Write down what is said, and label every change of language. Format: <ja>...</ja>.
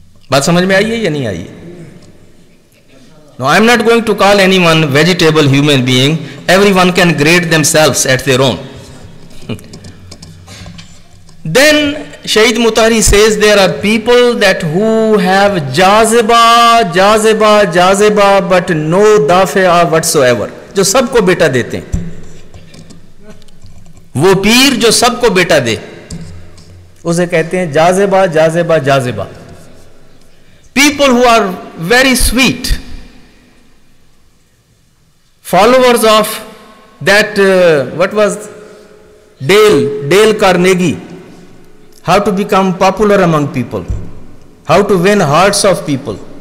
<hi>बात समझ में आई है या नहीं आई?</hi> <en>No, I am not going to call anyone vegetable human being. Everyone can grade themselves at their own. Then Shahid Mutahri says there are people that who have jazibah, jazibah, jazibah, but no dafia whatsoever.</en> <hi>जो सबको बेटा देते हैं, वो पीर जो सबको बेटा दे, उसे कहते हैं जाजेबा, जाजेबा, जाजेबा.</hi> <en>People who are very sweet, followers of that, Dale Carnegie, how to become popular among people, how to win hearts of people,</en>